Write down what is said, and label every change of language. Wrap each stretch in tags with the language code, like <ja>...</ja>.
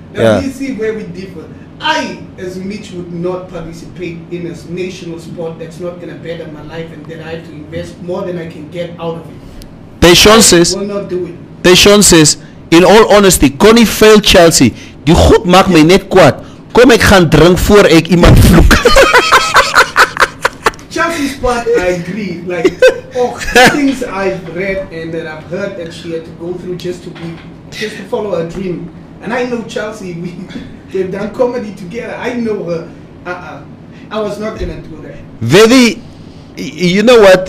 <en>Yeah. You see where we differ. I, as Mitch, would not participate in a national sport that's not going to better my life and that I have to invest more than I can get out of it. Tayshaun says, will not do it. Tayshaun says, in all honesty, Connie failed Chelsea.</en> <af>Die goed maak my net kwaad. Kom ek gaan drink voor ek iemand vloek.</af> <en>Chelsea's part, I agree. Like, the things I've read and that I've heard that she had to go through just to follow her dream. And I know Chelsea, they've done comedy together. I know her. I was not going to do that. Very, you know what?</en>